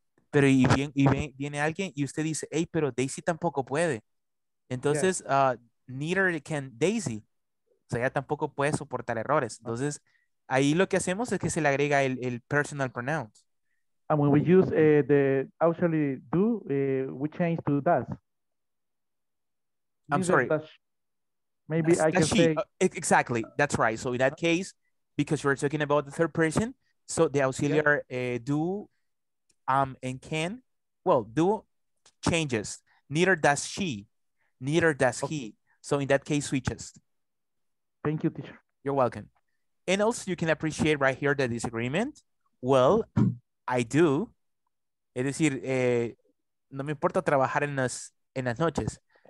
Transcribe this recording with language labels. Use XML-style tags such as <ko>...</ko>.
<es>Pero viene alguien y usted dice, hey, pero Daisy tampoco puede. Entonces, yeah.</es> <en>Neither can Daisy.</en> <es>sea, ella tampoco puede soportar errores. Entonces, ahí lo que hacemos es que se le agrega el</es> <en>personal pronoun. And when we use the actually do, we change to does. I'm sorry. Maybe I can say. Exactly, that's right. So in that case, because we're talking about the third person, so the auxiliary do and can, well, do changes. Neither does she, neither does he. So in that case, switches. Thank you, teacher. You're welcome. And also you can appreciate right here the disagreement. Well, I do.</en> <es>Es decir, no me importa trabajar en las noches.</es>